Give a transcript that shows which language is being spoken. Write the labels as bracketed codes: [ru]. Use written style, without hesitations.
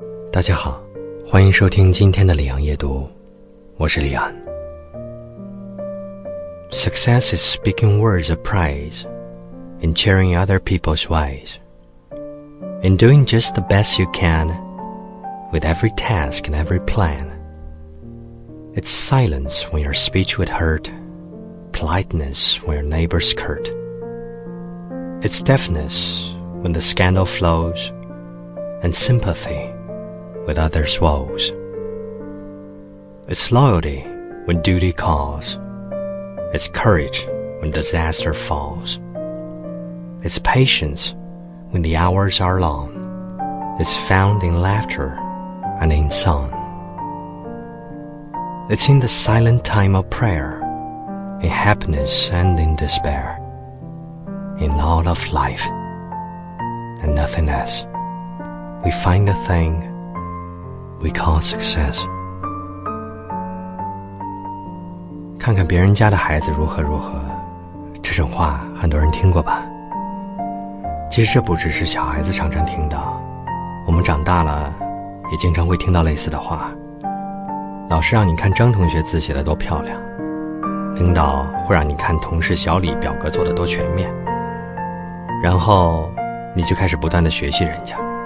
[zh] 大家好，欢迎收听今天的李昂夜读，我是李昂。 [en] Success is speaking words of praise and cheering other people's wise and doing just the best you can with every task and every plan. It's silence when your speech would hurt, politeness when your neighbor's curt. It's deafness when the scandal flows and sympathyWith others' woes. It's loyalty when duty calls. It's courage when disaster falls. It's patience when the hours are long. It's found in laughter and in song. It's in the silent time of prayer, in happiness and in despair, in all of life and nothing else, we find the thingWe call success. [zh] 看看别人家的孩子如何如何，这种话很多人听过吧？其实这不只是小孩子常常听到，我们长大了也经常会听到类似的话。老师让你看张同学字写的多漂亮，领导会让你看同事小李表格做的多全面，然后你就开始不断的学习人家。